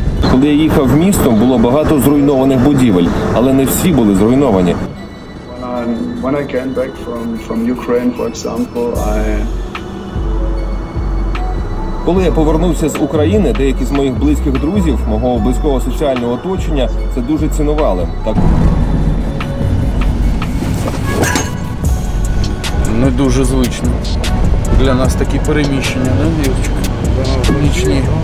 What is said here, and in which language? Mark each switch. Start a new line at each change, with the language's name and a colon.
Ukrainian: Коли я їхав містом, було багато зруйнованих будівель, але не всі були зруйновані.
English: When I came back from Ukraine, for example,
Ukrainian: Коли я повернувся з України, деякі з моїх близьких друзів, мого близького соціального оточення, це дуже цінували. Так. Не дуже звично. Для нас такі переміщення, не, Юрчик? Нічні.